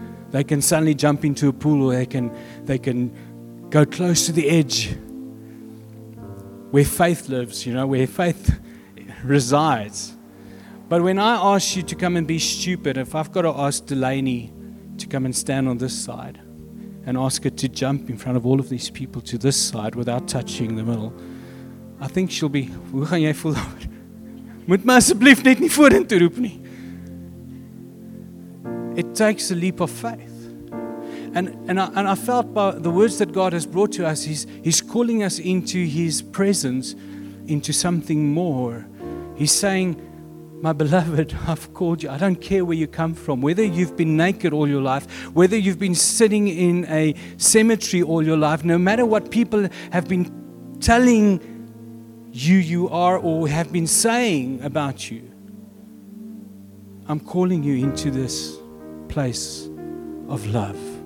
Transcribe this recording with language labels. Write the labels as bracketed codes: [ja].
[en] They can suddenly jump into a pool, or they can go close to the edge where faith lives, you know, where faith resides. But when I ask you to come and be stupid, if I've got to ask Delaney to come and stand on this side and ask her to jump in front of all of these people to this side without touching the middle, I think she'll be, [af] hoe gaan jy voel? Moet my asseblief net nie vorentoe roep nie. [en] It takes a leap of faith. And I felt by the words that God has brought to us, he's calling us into his presence, into something more. He's saying, my beloved, I've called you. I don't care where you come from, whether you've been naked all your life, whether you've been sitting in a cemetery all your life, no matter what people have been telling you are or have been saying about you, I'm calling you into this place of love.